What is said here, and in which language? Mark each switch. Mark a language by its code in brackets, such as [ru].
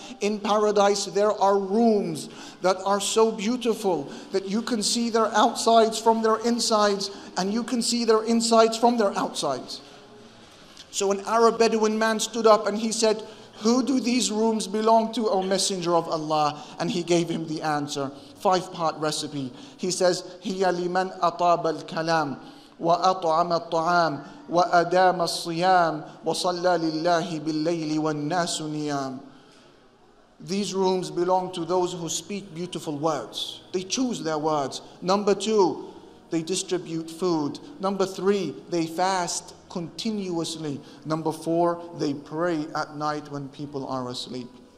[en] In paradise there are rooms that are so beautiful that you can see their outsides from their insides, and you can see their insides from their outsides. So an Arab Bedouin man stood up and he said, who do these rooms belong to, O Messenger of Allah? And he gave him the answer. Five-part recipe. He says, [ar] هي لمن أطاب الكلام وأطعم الطعام وأدام الصيام وصلى لله بالليل والناس نيام. [en] These rooms belong to those who speak beautiful words. They choose their words. Number two, they distribute food. Number three, they fast continuously. Number four, they pray at night when people are asleep.